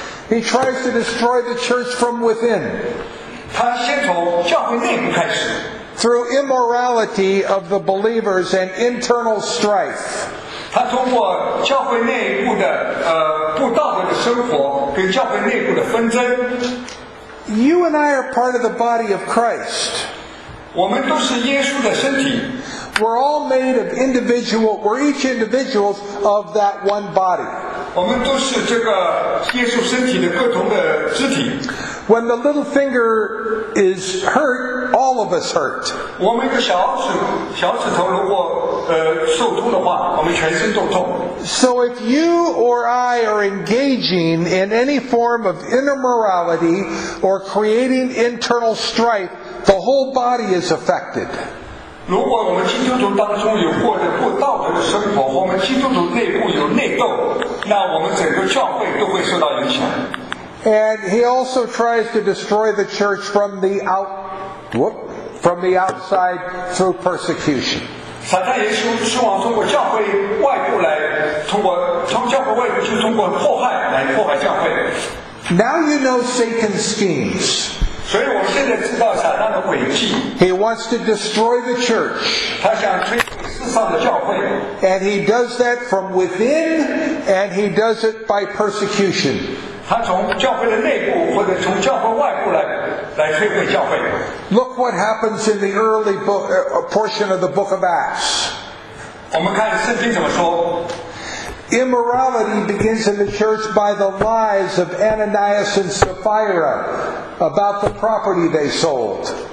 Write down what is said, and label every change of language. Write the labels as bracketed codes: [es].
[en] He tries to destroy the church from within. Through immorality of the believers and internal strife. [zh] 他通过教会内部的不道德的生活跟教会内部的纷争。 [en] You and I are part of the body of Christ. [zh] 我们都是耶稣的身体。 [en] We're all made of individual, we're each individual of that one body. [zh] 我们都是这个耶稣身体的各同的肢体。 [en] When the little finger is hurt, all of us hurt. [zh] 我们的小指头如果受痛的话，我们全身都痛。 [en] So if you or I are engaging in any form of inner morality or creating internal strife, the whole body is affected. [zh] 如果我们基督徒当中有过着不道德的生活，我们基督徒内部有内斗，那我们整个教会都会受到影响。 [en] And he also tries to destroy the church from the outside through persecution. [zh] 撒旦也希望通过教会外部来，通过教会外部，就通过迫害来迫害教会。 [en] Now you know Satan's schemes. [zh] 所以我现在知道撒旦的诡计。 [en] He wants to destroy the church. [zh] 他想摧毁世上的教会。 [en] And he does that from within, and he does it by persecution. [zh] 他从教会的内部或者从教会外部来摧毁教会。 [en] Look what happens in the early book, a portion of the book of Acts. [zh] 我们看圣经怎么说。 [en] Immorality begins in the church by the lies of Ananias and Sapphira about the property they sold.